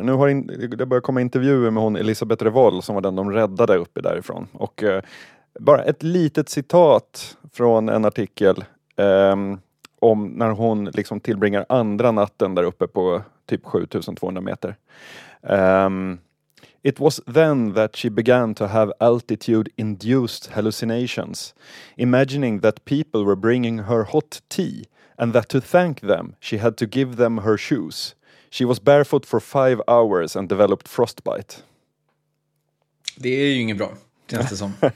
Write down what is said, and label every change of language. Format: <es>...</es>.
<sv>Nu har det börjat komma intervjuer med hon Elisabeth Revoll, som var den de räddade uppe därifrån. Och bara ett litet citat från en artikel om när hon liksom tillbringar andra natten där uppe på typ 7200 meter.</sv> <en>It was then that she began to have altitude-induced hallucinations, imagining that people were bringing her hot tea, and that to thank them, she had to give them her shoes. She was barefoot for 5 hours and developed frostbite.</en> <sv>Det är ju inget bra, känns det som.</sv>